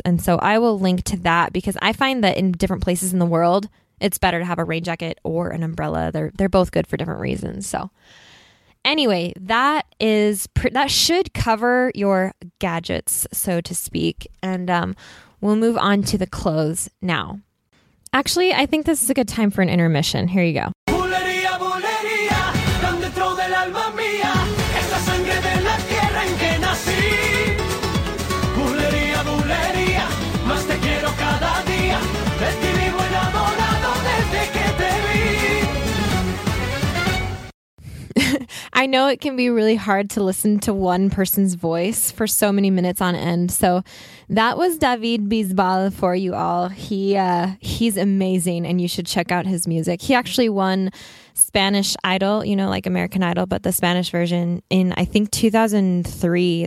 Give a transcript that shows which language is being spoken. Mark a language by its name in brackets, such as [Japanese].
[English] And so I will link to that because I find that in different places in the world, it's better to have a rain jacket or an umbrella. They're both good for different reasons. So anyway, that should cover your gadgets, so to speak. And we'll move on to the clothes now. Actually, I think this is a good time for an intermission. Here you go. [Spanish] Bulería, bulería, tan dentro del alma mía. Esa sangre de la tierra en que nací. Bulería, bulería, más te quiero cada día. De ti vivo enamorado desde que te vi. [English] I know it can be really hard to listen to one person's voice for so many minutes on end. So that was David Bisbal for you all. He's amazing, and you should check out his music. He actually won Spanish Idol, you know, like American Idol, but the Spanish version in, I think, 2003.